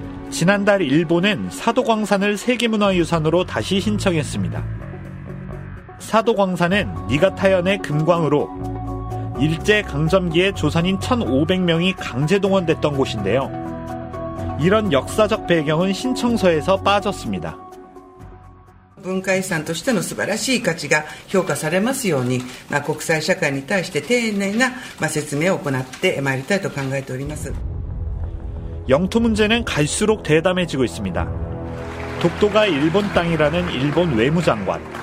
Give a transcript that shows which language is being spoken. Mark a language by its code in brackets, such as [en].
[ko] 지난달 일본은 사도광산을 세계문화유산으로 다시 신청했습니다. 사도광산은 니가타현의 금광으로 일제강점기에 조선인 1500명이 강제동원됐던 곳인데요. 이런 역사적 배경은 신청서에서 빠졌습니다. [ja] 文化遺産としての素晴らしい価値が評価されますように、国際社会に対して丁寧な説明を行ってまいりたいと考えております。 [ko] 영토 문제는 갈수록 대담해지고 있습니다. 독도가 일본 땅이라는 일본 외무장관.